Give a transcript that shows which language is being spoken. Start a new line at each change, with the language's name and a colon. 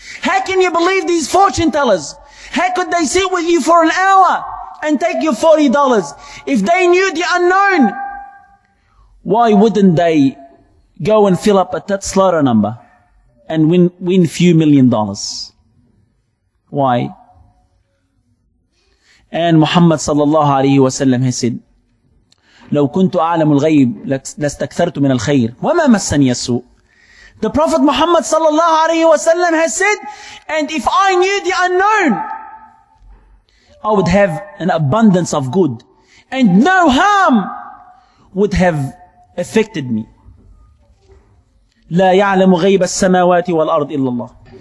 English: How can you believe these fortune tellers? How could they sit with you for an hour and take your $40? If they knew the unknown, why wouldn't they go and fill up a Tatslara number and win few million dollars? Why? And Muhammad sallallahu alayhi wasallam has said,
Arabic: لو كنت أعلم الغيب لاستكثرت من الخير وما مسني السوء.
English: The Prophet Muhammad sallallahu alayhi wa sallam has said, and if I knew the unknown, I would have an abundance of good and no harm would have affected me.
Arabic: لا يعلم غيب السماوات والأرض إلا الله.